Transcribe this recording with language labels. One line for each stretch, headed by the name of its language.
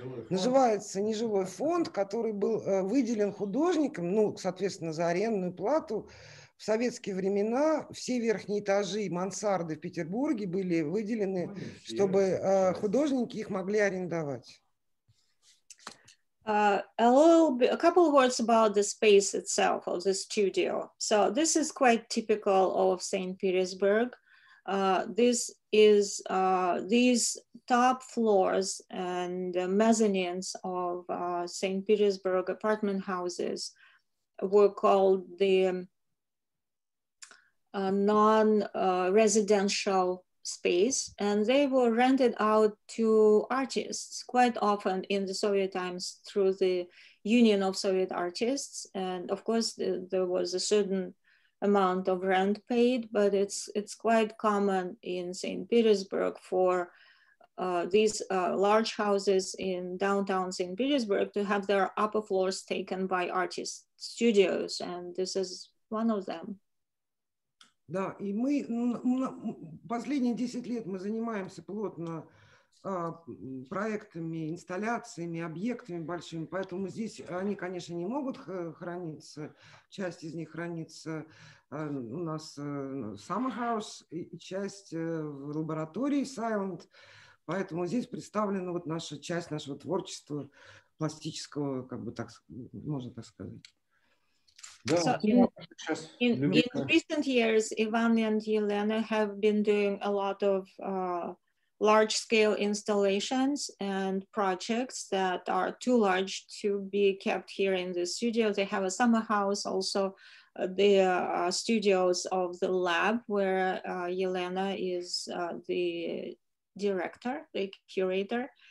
Russian: называется «Нежилой фонд», который был выделен художником, ну, соответственно, за арендную плату. В советские времена все верхние этажи и мансарды в Петербурге были выделены, чтобы художники их могли арендовать.
English: A couple of words about the space itself of the studio. So this is quite typical of St. Petersburg. These top floors and mezzanines of St. Petersburg apartment houses were called the non-residential space, and they were rented out to artists quite often in the Soviet times through the Union of Soviet Artists. And of course, there was a certain amount of rent paid, but it's quite common in St. Petersburg for these large houses in downtown St. Petersburg to have their upper floors taken by artist studios, and this is one of them.
Russian: Да, и мы последние 10 лет мы занимаемся плотно проектами, инсталляциями, объектами большими, поэтому здесь они, конечно, не могут храниться, часть из них хранится у нас в
English: Summer House,
Russian: и часть в лаборатории Silent, поэтому здесь представлена вот наша часть нашего творчества пластического, как бы так можно так сказать.
English: So in recent years, Ivan and Elena have been doing a lot of large-scale installations and projects that are too large to be kept here in the studio. They have a summer house, also the studios of the lab where Elena is the director, the curator.